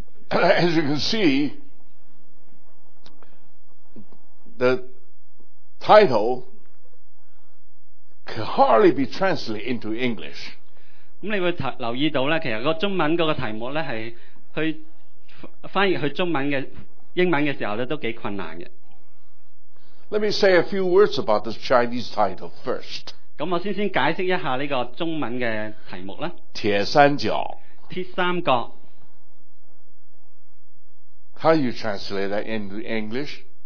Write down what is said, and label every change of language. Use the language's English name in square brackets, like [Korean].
[English] ，as you can see, the title can hardly be translated into English。 [Cantonese] 咁你会留意到咧，其实个中文嗰个题目咧系去。翻译去中文嘅英文嘅时候咧，都几困难嘅。 [English] Let me say a few words about this Chinese title first。 [Cantonese] 咁我先解释一下呢个中文嘅题目啦。铁三角。铁三角。 [English] How you translate that into English？